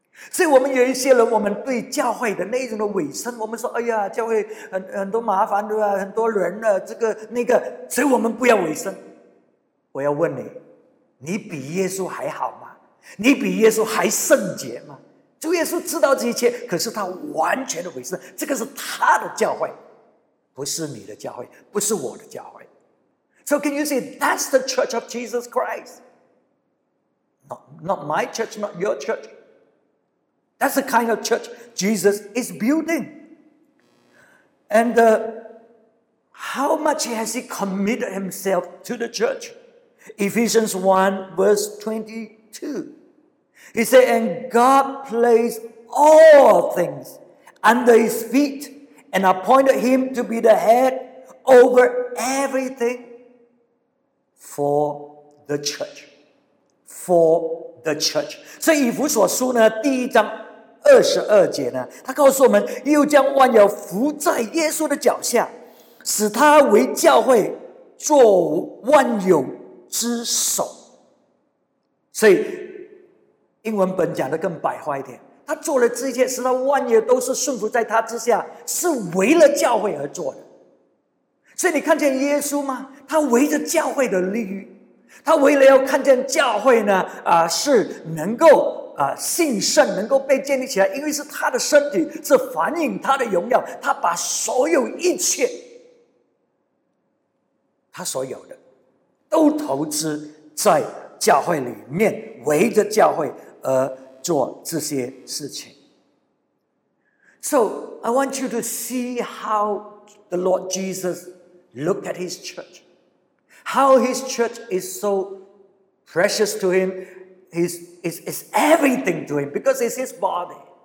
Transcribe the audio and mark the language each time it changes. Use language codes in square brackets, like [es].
[zh] 所以我们有一些人，我们对教会的那种的委身，我们说哎呀，教会 很多麻烦，对吧，很多人了，这个那个，所以我们不要委身。我要问你，你比耶稣还好吗？你比耶稣还圣洁吗？主耶稣知道这一切，可是他完全的委身，这个是他的教会，不是你的教会，不是我的教会。 [en] So can you see, that's the church of Jesus Christ, not my church, not your churchThat's the kind of church Jesus is building. And how much has he committed himself to the church? Ephesians 1 verse 22. He said, and God placed all things under his feet and appointed him to be the head over everything for the church. For the church. [zh] 所以以弗所书呢第一章22节呢，他告诉我们，又将万有伏在耶稣的脚下，使他为教会做万有之首。所以英文本讲的更白话一点，他做了这些使他万有都是顺服在他之下，是为了教会而做的。所以你看见耶稣吗？他为着教会的利益，他为了要看见教会呢是能够信圣，能够被建立起来，因为是他的身体，是反映他的荣耀，他把所有一切他所有的都投资在教会里面，围着教会而做这些事情。 [en] So I want you to see how the Lord Jesus looked at his church, how his church is so precious to himIs everything to him, because it's his body.